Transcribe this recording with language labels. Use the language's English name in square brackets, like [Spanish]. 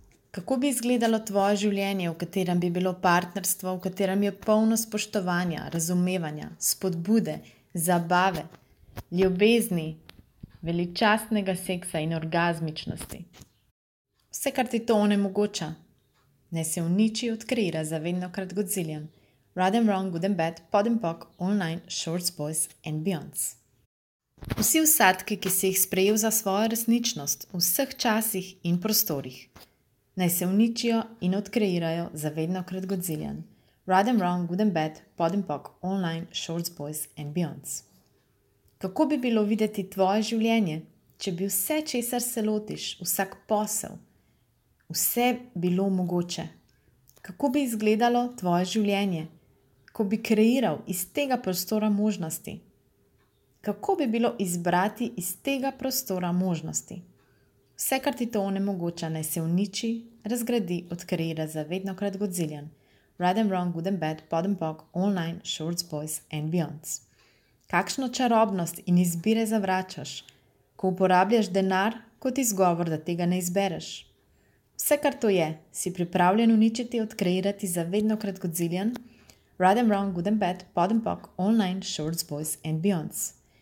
[Slovenian] Kako bi izgledalo tvoje življenje, v katerem bi bilo partnerstvo, v katerem je polno spoštovanja, razumevanja, spodbude, zabave, ljubezni, veličastnega seksa in orgazmičnosti? Vse, kar ti to onemogoča, naj se uniči, odkreira za vedno krat godziljan. [English] Right and wrong, good and bad, pod and pok, online, shorts, boys and beyonds. [Slovenian] Vsi vsadki, ki si jih sprejel za svojo resničnost v vseh časih in prostorih, naj se uničijo in odkreirajo za vedno krat godziljan. [English] Right and wrong, good and bad, pod and pok, online, shorts, boys and beyonds. [Slovenian] Kako bi bilo videti tvoje življenje, če bi vse, česar se lotiš, vsak posel, vse bilo mogoče? Kako bi izgledalo tvoje življenje, ko bi kreiral iz tega prostora možnosti? Kako bi bilo izbrati iz tega prostora možnosti? Vse, kar ti to onemogoča, naj se uniči, razgradi, odkreira za vedno krat godziljan. [English] Right and wrong, good and bad, pod and pok, online, shorts, boys and beyonds. [Slovenian] Kakšno čarobnost in izbire zavračaš, ko uporabljaš denar kot izgovor, da tega ne izbereš? Vse, kar to je, si pripravljen uničiti, odkreirati za vedno krat godziljan, [English] right and wrong, good and bad, pod and pok, online, shorts, boys and beyonds.